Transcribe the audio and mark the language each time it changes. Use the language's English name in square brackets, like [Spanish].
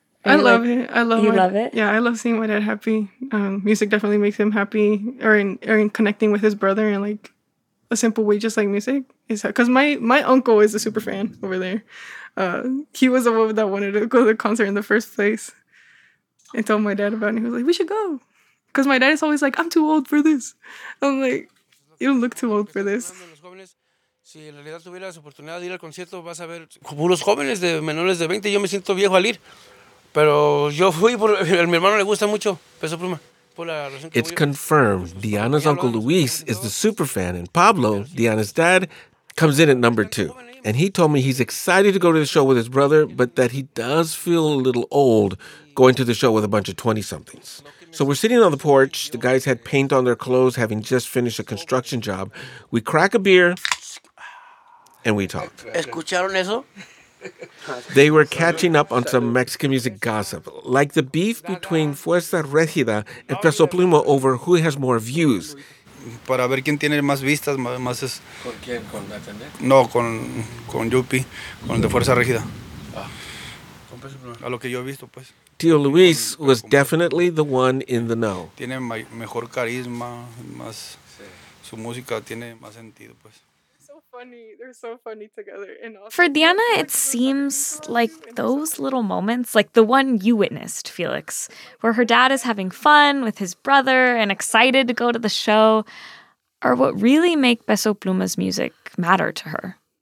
[English] I love it. Yeah, I love seeing my dad happy. Music definitely makes him happy, or in connecting with his brother in like a simple way, just like music. Because my uncle is a super fan over there. He was the one that wanted to go to the concert in the first place and told my dad about it. And he was like, we should go. Because my dad is always like, I'm too old for this. I'm like, you don't look too old for this. [Spanish] Si en realidad tuvieras oportunidad de ir al concierto, vas a ver puros jóvenes de menores de 20. Yo me siento viejo al ir. Pero yo fui por mi hermano le gusta mucho Peso Pluma. [English] It's confirmed. Diana's uncle Luis is the super fan, and Pablo, Diana's dad, comes in at number two. And he told me he's excited to go to the show with his brother, but that he does feel a little old going to the show with a bunch of 20-somethings. So we're sitting on the porch. The guys had paint on their clothes, having just finished a construction job. We crack a beer, and we talk. [Spanish] ¿Escucharon eso? [English] They were catching up on some Mexican music gossip, like the beef between Fuerza Regida and Peso Pluma over who has more views. [Spanish] Para ver quién tiene más vistas, más es. ¿Con quién? ¿Con la tendencia? No, con Yupi, con el de Fuerza Regida. Con Peso Pluma. A lo que yo he visto, pues. [English] Tío Luis was definitely the one in the know. [Spanish] Tiene mejor carisma, más. Su música tiene más sentido, pues. [English] Funny. They're so funny together. For Diana, it seems like those little moments, like the one you witnessed, Felix, where her dad is having fun with his brother and excited to go to the show, are what really make Peso Pluma's music matter to her.